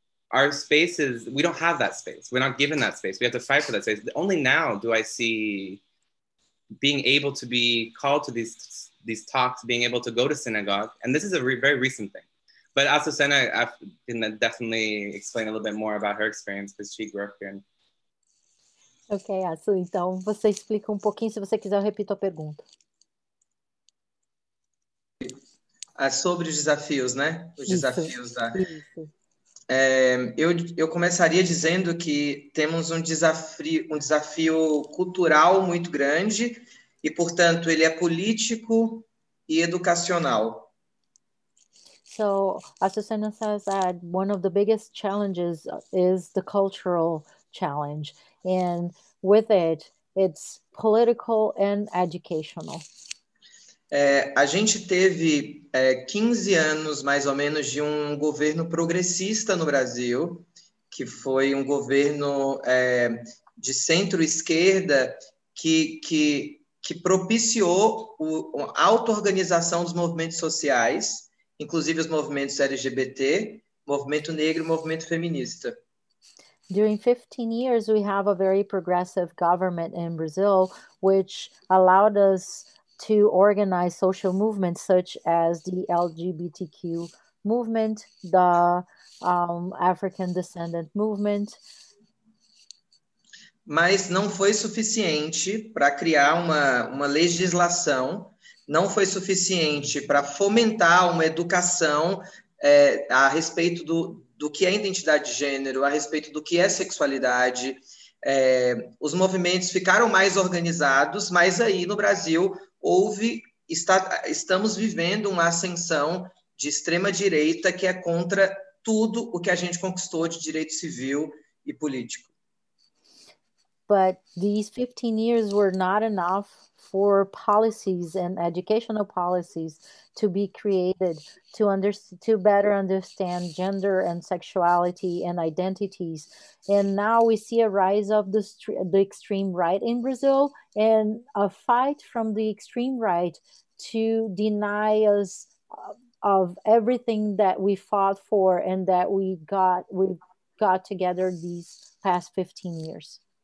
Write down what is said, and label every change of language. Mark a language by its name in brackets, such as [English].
[English] Our spaces, we don't have that space. We're not given that space. We have to fight for that space. Only now do I see being able to be called to these talks, being able to go to synagogue. And this is a very recent thing. But Azucena can definitely explain a little bit more about her experience because she grew up here. [Portuguese] Ok, Azu, então você explica um pouquinho. Se você quiser, eu repito a pergunta. É sobre os desafios, né? Os desafios. É, eu começaria dizendo que temos um desafio cultural muito grande e, portanto, ele é político e educacional. [English] So, Azucena says that one of the biggest challenges is the cultural challenge. And with it, it's political and educational. [Portuguese] É, a gente teve 15 anos, mais ou menos, de um governo progressista no Brasil, que foi um governo de centro-esquerda que propiciou a auto-organização dos movimentos sociais, inclusive os movimentos LGBT, movimento negro e movimento feminista. [English] During 15 years, we have a very progressive government in Brazil, which allowed us to organize social movements such as the LGBTQ movement, the African descendant movement. [Portuguese] Mas não foi suficiente para criar uma legislação, não foi suficiente para fomentar uma educação a respeito do que é identidade de gênero, a respeito do que é sexualidade. É, os movimentos ficaram mais organizados, mas aí no Brasil estamos vivendo uma ascensão de extrema-direita que é contra tudo o que a gente conquistou de direito civil e político. [English] But these 15 years were not enough for policies and educational policies to be created to better understand gender and sexuality and identities. And now we see a rise of the extreme right in Brazil and a fight from the extreme right to deny us of everything that we fought for and that we got together these past 15 years.